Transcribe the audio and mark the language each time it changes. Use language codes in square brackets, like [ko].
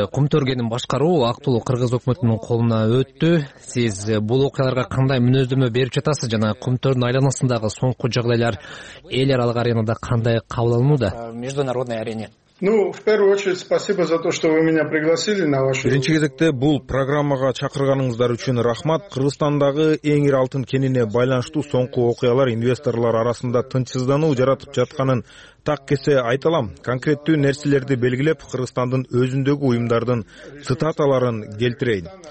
[ky] Кумторгенин башкаруу актуулу кыргыз өкмөтүнүн колуна өттү. Сиз бул окуяларга кандай мүнөздөмө берип жатасыз жана кумтордун айланасындагы соңку жагдайлар эл аралык аренада кандай кабыл алынууда? [ru] Международной арене. В первую очередь спасибо за то, что вы меня пригласили на вашу. [ky] Биринчи кезекте бул программага чакырганыңыздар үчүн рахмат. Кыргызстандагы эң ири алтын кенине байланыштуу соңку окуялар инвесторлор арасында тынчсыздануу жаратып жатканын так кесе айта алам. Конкреттүү нерселерди белгилеп, Кыргызстандын өзүндөгү уюмдардын цитаталарын келтирейин.